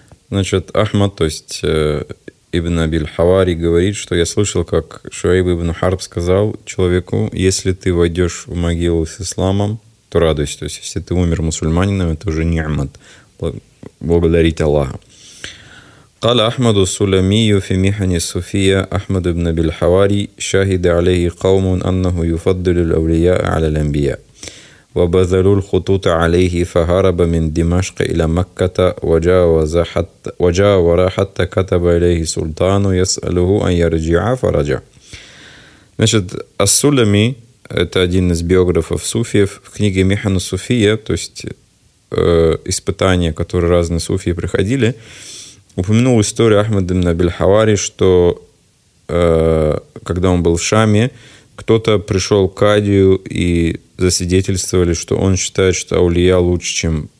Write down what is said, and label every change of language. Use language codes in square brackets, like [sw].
[ru] Значит, Ахмад, то есть ибн Абиль-Хавари, говорит, что я слышал, как Шуэйба ибн Харб сказал человеку: если ты войдешь в могилу с исламом, то радуйся. То есть, если ты умер мусульманином, это уже ни'мат. Благодарить Аллаха. [ar] قال أحمد السلمي في محن الصوفية أحمد بن بالحواري شهد عليه قوم أنه يفضل الأولياء على الأنبياء وبذلوا الخطوط عليه فهرب من دمشق إلى مكة وجاور حتى كتب إليه سلطان يسأله أن يرجع فرجع. [ru] Значит, السلمي, это один из биографов суфиев, в книге «Михан Суфия», то есть испытания, которые разные суфии проходили, упомянул историю Ахмада ибн Абиль-Хавари, что когда он был в Шаме, кто-то пришел к кадию и засвидетельствовали, что он считает, что аулия лучше, чем